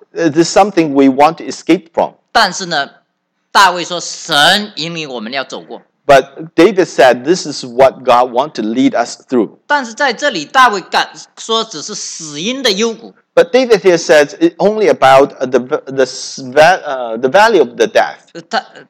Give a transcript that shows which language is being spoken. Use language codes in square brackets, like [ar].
[en] This is something we want to escape from. [zh] 但是呢，大卫说，神引领我们要走过。 [en] But David said, "This is what God wants to lead us through." [zh] 但是在这里，大卫敢说只是死因的幽谷。 [en] But David here says it only about the valley of the death.